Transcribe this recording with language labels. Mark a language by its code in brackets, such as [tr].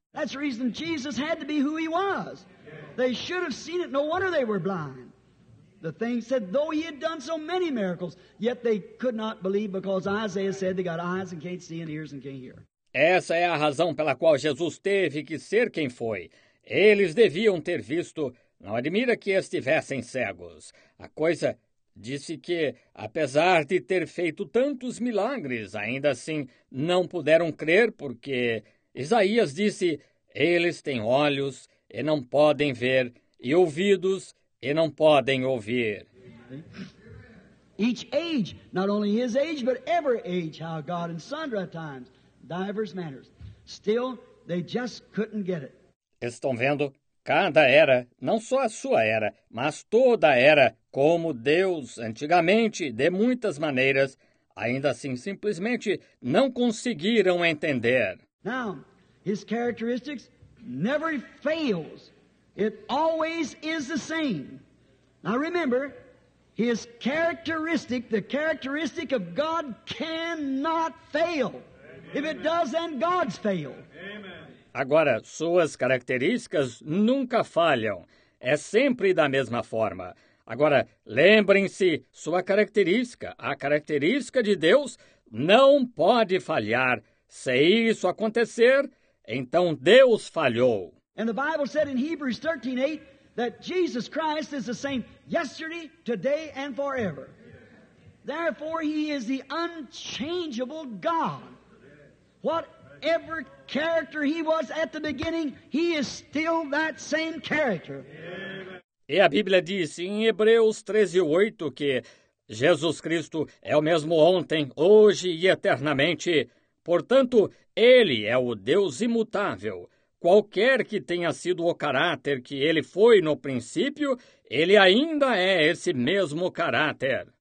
[en] That's the reason Jesus had to be who he was. Yeah. They should have seen it. No wonder they were blind. The thing said, though he had done so many miracles, yet they could not believe because Isaiah said they got eyes and can't see and ears and can't hear. [pt] Essa é a razão pela qual Jesus teve que ser quem foi. Eles deviam ter visto. Não admira que estivessem cegos. A coisa disse que, apesar de ter feito tantos milagres, ainda assim não puderam crer porque Isaías disse, eles têm olhos e não podem ver, e ouvidos e não podem ouvir. [en] Each age, not only his age, but every age, how God in sundry times, divers manners. Still, they just couldn't get it. [pt] Estão vendo? Cada era, não só a sua era, mas toda era, como Deus, antigamente, de muitas maneiras, ainda assim, simplesmente, não conseguiram entender. [en] Now, his characteristics never fails. It always is the same. Now remember, his characteristic, the characteristic of God cannot fail. Amen. If it does, then God's failed. [pt] Agora, suas características nunca falham. É sempre da mesma forma. Agora, lembrem-se, sua característica, a característica de Deus, não pode falhar. Se isso acontecer, então Deus falhou. [en] And the Bible said in Hebrews 13:8 that Jesus Christ is the same yesterday, today and forever. Therefore he is the unchangeable God. Whatever character he was at the beginning, he is still that same character. [pt] E a Bíblia diz em Hebreus 13:8 que Jesus Cristo é o mesmo ontem, hoje e eternamente. Portanto, ele é o Deus imutável. Qualquer que tenha sido o caráter que ele foi no princípio, ele ainda é esse mesmo caráter.